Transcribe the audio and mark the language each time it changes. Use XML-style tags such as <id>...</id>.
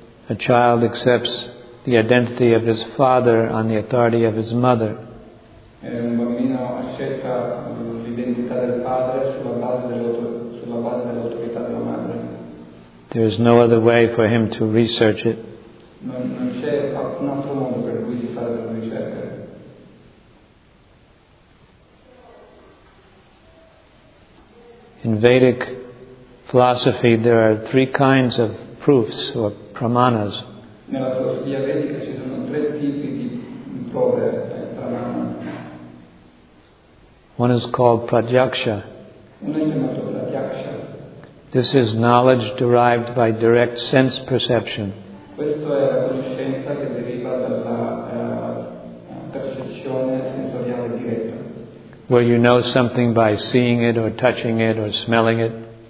<en>a child accepts the identity of his father on the authority of his mother.</en> <it>Un bambino accetta l'identità del padre sulla base dell'autorità della madre.</it> <en>There is no other way for him to research it.</en> <it>Non c'è un altro modo per lui di fare la ricerca.</it> <en>In Vedic philosophy, there are three kinds of proofs or pramanas.</en> <it>Nella filosofia vedica ci sono tre tipi di prove, pramana.</it> <en>One is called pratyaksha.</en> <it>Uno è chiamato pratyaksha.</it> <en>This is knowledge derived by direct sense perception.</en> <it>Questo è la conoscenza che deriva dalla percezione sensoriale diretta.</it> <en>Where you know something by seeing it or touching it or smelling it.</en>